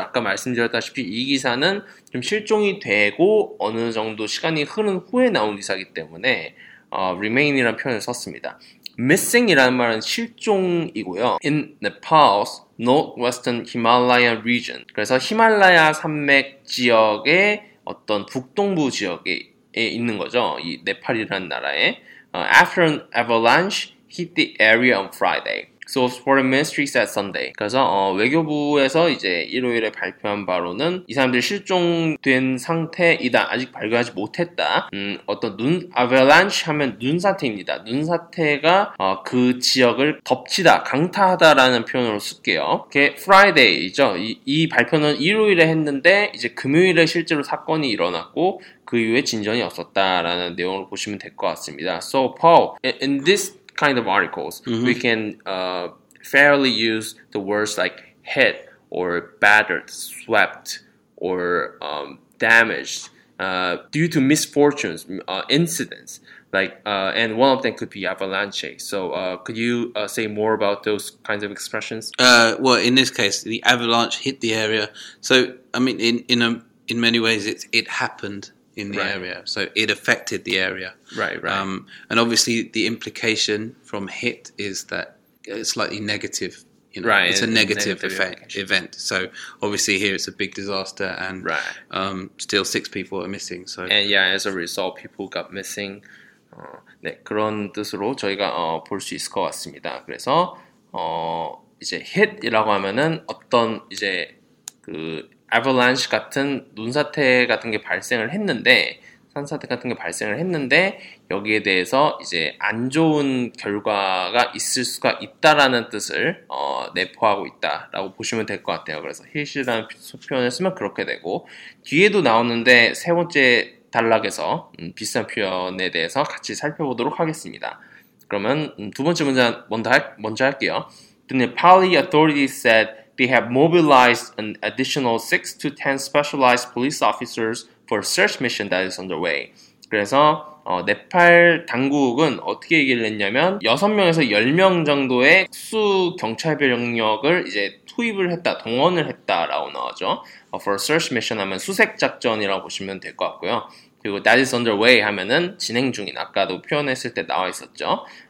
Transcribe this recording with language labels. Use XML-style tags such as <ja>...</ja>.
<ko>아까 말씀드렸다시피 이 기사는 좀 실종이 되고 어느 정도 시간이 흐른 후에 나온 기사이기 때문에 remain이라는 표현을 썼습니다. missing이라는 말은 실종이고요.</ko> <en>in Nepal's northwestern Himalayan region.</en> <ko>그래서 히말라야 산맥 지역의 어떤 북동부 지역에 있는 거죠. 이 네팔이라는 나라에.</ko> <en>After an avalanche hit the area on Friday. So foreign ministry said Sunday.</en> <ko>그래서 외교부에서 이제 일요일에 발표한 바로는 이 사람들이 실종된 상태이다. 아직 발견하지 못했다. 어떤 눈 avalanche 하면 눈사태입니다. 눈사태가 그 지역을 덮치다, 강타하다라는 표현으로 쓸게요. 이게 Friday이죠. 이 발표는 일요일에 했는데 이제 금요일에 실제로 사건이 일어났고 그 이후에 진전이 없었다라는 내용으로 보시면 될 것 같습니다.</ko> <en>So Paul, in this kind of articles, mm-hmm. we can fairly use the words like hit or battered, swept, or damaged due to misfortunes, incidents. And one of them could be avalanche. So could you say more about those kinds of expressions? Well, in this case, the avalanche hit the area. So, I mean, in many ways, it happened in the area. So it affected the area. Right. And obviously, the implication from hit is that it's slightly negative. You know, right. It's a negative event. So obviously here it's a big disaster and still six people are missing. So. And yeah, as a result, people got missing.</en> <ko>네, 그런 뜻으로 저희가 볼 수 있을 것 같습니다. 그래서 이제 hit이라고 하면은 어떤 이제 그 avalanche 같은 눈사태 같은 게 발생을 했는데 산사태 같은 게 발생을 했는데 여기에 대해서 이제 안 좋은 결과가 있을 수가 있다라는 뜻을 내포하고 있다라고 보시면 될 것 같아요. 그래서 hit이라는 표현을 쓰면 그렇게 되고 뒤에도 나오는데 세 번째 단락에서 비슷한 표현에 대해서 같이 살펴보도록 하겠습니다. 그러면 두 번째 문장 먼저 할게요.</ko> <en>The Nepali authorities said they have mobilized an additional 6 to 10 specialized police officers for a search mission that is underway.</en> <ko>그래서 네팔 당국은 어떻게 얘기를 했냐면 6명에서 10명 정도의 특수 경찰 병력을 이제 투입을 했다, 동원을 했다라고 나오죠.</ko> <en>For a search mission</en> <ko>하면 수색 작전이라고 보시면 될 것 같고요. 그리고</ko> <en>that is underway</en> <ko>하면은 진행 중인, 아까도 표현했을 때 나와 있었죠.</ko>